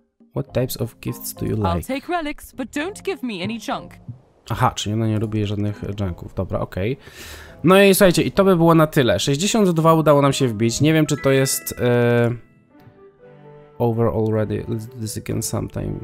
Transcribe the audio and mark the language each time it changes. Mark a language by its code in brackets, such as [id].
[en] What types of gifts do you like? I'll take relics, but don't give me any junk. [pl] Aha, czyli ona nie lubi żadnych junków. Dobra, okej. No i słuchajcie, i to by było na tyle. 62 udało nam się wbić. Nie wiem, czy to jest... [en] Over already, let's do this again sometime.